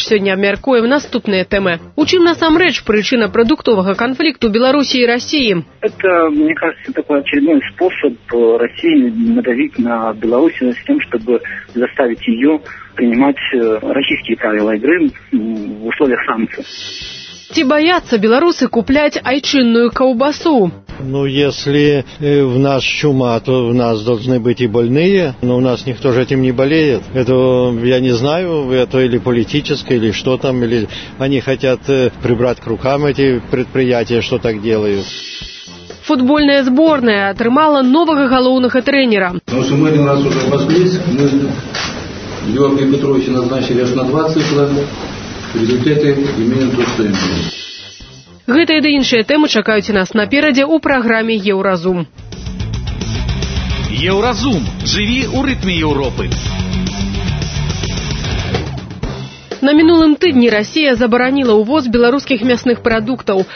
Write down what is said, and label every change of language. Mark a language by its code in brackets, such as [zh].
[be] Сёння мяркуем наступныя тэмы. У чым насамрэч прычына прадуктовага канфлікту Беларусі і Расіі? [ru] Это, мне кажется, такой очередной способ России надавить на Беларусь с тем, чтобы заставить её принимать российские правила игры в условиях санкций. [be] Ці боятся беларусы куплять айчынную каўбасу? [ru] Ну, если в нас чума, то в нас должны быть и больные, но у нас никто же этим не болеет. Это, я не знаю, это или политическое, или что там, или они хотят прибрать к рукам эти предприятия, что так делают. [be] Футбольная сборная атрымала нового галоўнага тренера. [ru] Потому что мы один раз уже обошлись, мы Георгия Петровича назначили аж на 20 человек, результаты именно то, что имеем. [be] Гэтыя ды іншыя тэмы чакаюць нас наперадзе ў праграме «Еўразум». «Еўразум» – жыві ў рытме Еўропы. На мінулым тыдні Расія забараніла ўвоз беларускіх мясных прадуктаў.